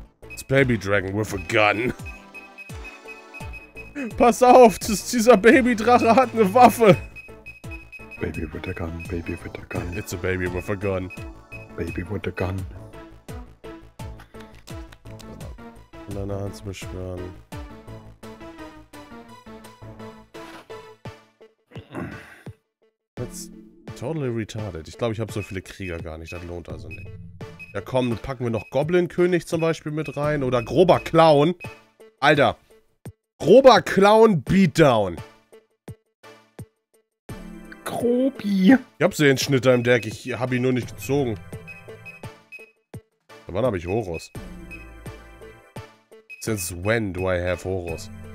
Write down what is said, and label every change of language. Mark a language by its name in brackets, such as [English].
[English] It's Baby Dragon with a gun. [German] Pass auf, dieser Baby Drache hat eine Waffe. [English] Baby with a gun, baby with a gun. It's a baby with a gun. Baby with a gun. [German] Deine Hand zu beschwören. [English] Totally retarded. [German] Ich glaube, ich habe so viele Krieger gar nicht. Das lohnt also nicht. Ja komm, packen wir noch Goblin-König zum Beispiel mit rein. Oder grober Clown. Alter. Grober Clown Beatdown. Grobi. Ich hab Sehenschnitter im Deck, ich hab ihn nur nicht gezogen. Wann hab ich Horus? [English] Since when do I have Horus?